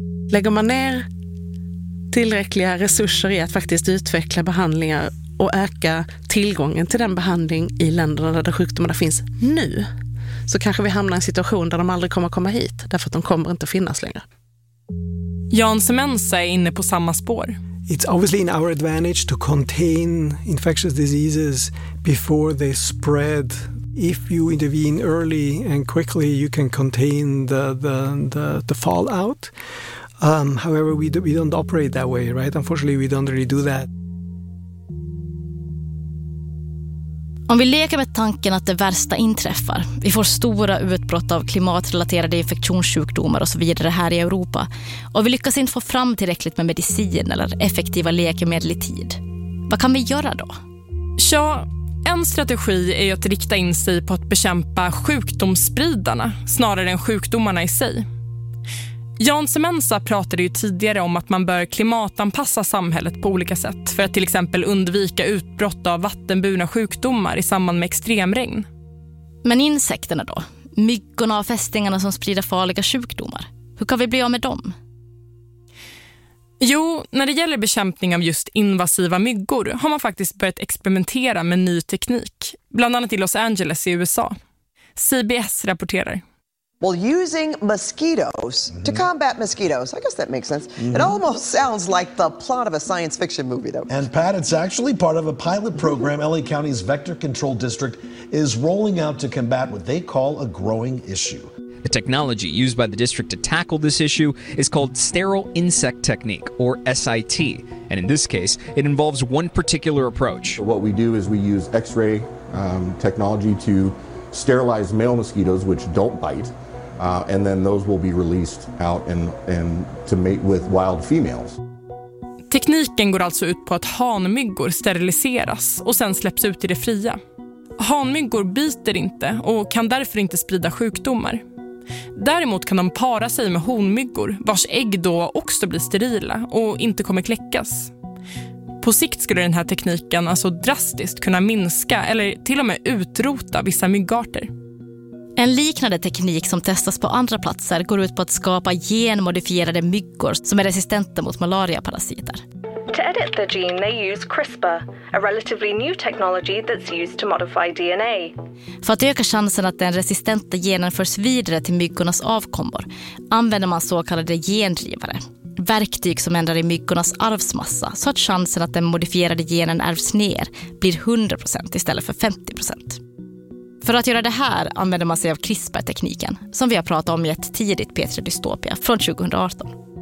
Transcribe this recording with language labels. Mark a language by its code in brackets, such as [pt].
[sv] Lägger man ner tillräckliga resurser i att faktiskt utveckla behandlingar och öka tillgången till den behandling i länderna där sjukdomarna finns nu, så kanske vi hamnar i en situation där de aldrig kommer att komma hit, därför att de kommer inte att finnas längre. Jan Semensa är inne på samma spår. [en] It's obviously in our advantage to contain infectious diseases before they spread. If you intervene early and quickly, you can contain the fallout. However, we don't operate that way, right? Unfortunately, we don't really do that. [sv] Om vi leker med tanken att det värsta inträffar, vi får stora utbrott av klimatrelaterade infektionssjukdomar och så vidare här i Europa, och vi lyckas inte få fram tillräckligt med medicin eller effektiva läkemedel i tid, vad kan vi göra då? Ja, en strategi är att rikta in sig på att bekämpa sjukdomsspridarna snarare än sjukdomarna i sig. Jan Semensa pratade ju tidigare om att man bör klimatanpassa samhället på olika sätt för att till exempel undvika utbrott av vattenburna sjukdomar i samband med extremregn. Men insekterna då? Myggorna och fästingarna som sprider farliga sjukdomar. Hur kan vi bli av med dem? Jo, när det gäller bekämpning av just invasiva myggor har man faktiskt börjat experimentera med ny teknik. Bland annat i Los Angeles i USA. CBS rapporterar. [en] Well, using mosquitoes to combat mosquitoes. I guess that makes sense. Mm-hmm. It almost sounds like the plot of a science fiction movie, though. And Pat, it's actually part of a pilot program LA County's Vector Control District is rolling out to combat what they call a growing issue. The technology used by the district to tackle this issue is called sterile insect technique, or SIT. And in this case, it involves one particular approach. What we do is we use X-ray technology to sterilize male mosquitoes, which don't bite. And then those will be released out and to mate with wild females. [sv] Tekniken går alltså ut på att hanmyggor steriliseras och sen släpps ut i det fria. Hanmyggor biter inte och kan därför inte sprida sjukdomar. Däremot kan de para sig med honmyggor vars ägg då också blir sterila och inte kommer kläckas. På sikt skulle den här tekniken alltså drastiskt kunna minska eller till och med utrota vissa myggarter. En liknande teknik som testas på andra platser går ut på att skapa genmodifierade myggor som är resistenta mot malariaparasiter. [en] To edit the gene, they use CRISPR, a relatively new technology that's used to modify DNA. [sv] För att öka chansen att den resistenta genen förs vidare till myggornas avkommor använder man så kallade gendrivare. Verktyg som ändrar i myggornas arvsmassa så att chansen att den modifierade genen ärvs ner blir 100% istället för 50%. För att göra det här använder man sig av CRISPR-tekniken som vi har pratat om i ett tidigt P3 Dystopia från 2018.